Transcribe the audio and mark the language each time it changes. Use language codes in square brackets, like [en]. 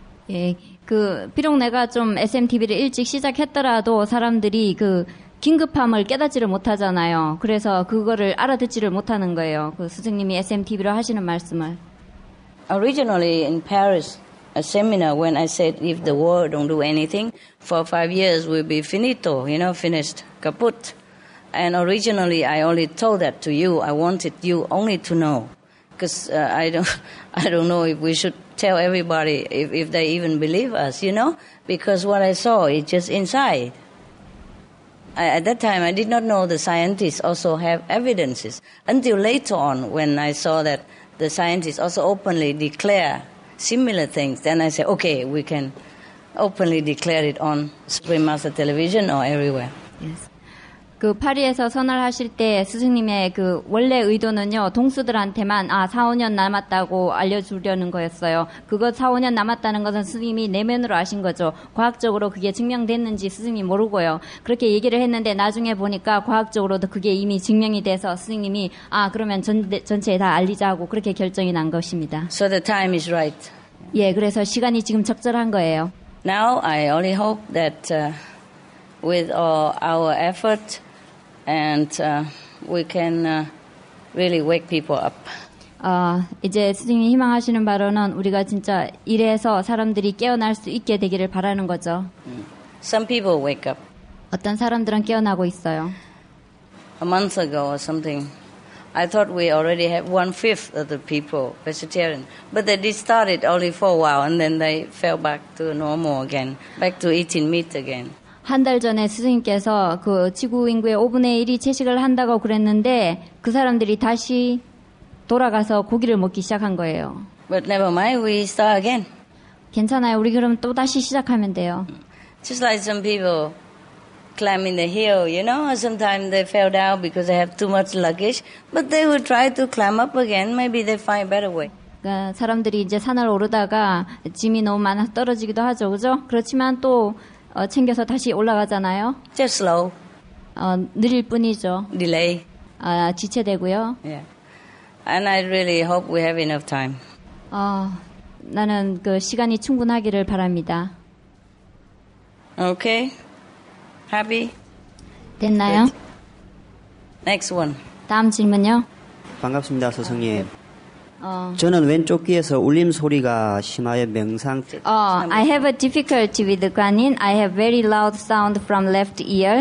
[ko] 예, 그 비록 내가 좀 SMTV를 일찍 시작했더라도 사람들이 그 긴급함을 깨닫지를 못하잖아요. 그래서 그거를 알아듣지를 못하는 거예요. 그 스승님이 SMTV로 하시는 말씀을. [en] Originally in Paris. A seminar when I said if the world don't do anything for 5 years we'll be finito, you know, finished, kaput. And originally I only told that to you. I wanted you only to know, because I don't know if we should tell everybody if they even believe us, you know, because what I saw is just inside. At that time I did not know the scientists also have evidences until later on when I saw that the scientists also openly declare similar things, then I say, okay, we can openly declare it on Supreme Master Television or everywhere. Yes. [ko] 그 파리에서 선언을 하실 때 스승님의 그 원래 의도는요, 동수들한테만 아, 4, 5년 남았다고 알려주려는 거였어요. 그거 4, 5년 남았다는 것은 스승님이 내면으로 아신 거죠. 과학적으로 그게 증명됐는지 스승님이 모르고요. 그렇게 얘기를 했는데 나중에 보니까 과학적으로도 그게 이미 증명이 돼서 스승님이 아, 그러면 전체에 다 알리자고 그렇게 결정이 난 것입니다. [en] So the time is right. [ko] 예, 그래서 시간이 지금 적절한 거예요. [en] Now I only hope that with all our effort, and we can really wake people up. [ko] 이제 스승님 희망하시는 바로는 우리가 진짜 일해서 사람들이 깨어날 수 있게 되기를 바라는 거죠. [en] Some people wake up. [ko] 어떤 사람들은 깨어나고 있어요. [en] A month ago or something, I thought we already have 1/5 of the people vegetarian, but they did start it only for a while, and then they fell back to normal again, back to eating meat again. [ko] 한 달 전에 스승님께서 그 지구 인구의 5분의 1이 채식을 한다고 그랬는데 그 사람들이 다시 돌아가서 고기를 먹기 시작한 거예요. [en] But never mind, we start again. [ko] 괜찮아요. 우리 그럼 또 다시 시작하면 돼요. [en] Just like some people climbing the hill, you know, sometimes they fell down because they have too much luggage, but they will try to climb up again. Maybe they find a better way. [ko] 그러니까 사람들이 이제 산을 오르다가 짐이 너무 많아서 떨어지기도 하죠. 그죠? 그렇지만 또 챙겨서 다시 올라가잖아요. [en] Just slow. [ko] 느릴 뿐이죠. [en] Delay. [ko] 지체되고요. [en] Yeah. And I really hope we have enough time. [ko] 나는 그 시간이 충분하기를 바랍니다. [en] Okay. Happy. [ko] 됐나요? [en] Good. Next one. [ko] 다음 질문요. 반갑습니다, 스승님. 저는 왼쪽 귀에서 울림 소리가 심하여 명상. [en] I have a difficulty with the Guanyin. I have very loud sound from left ear.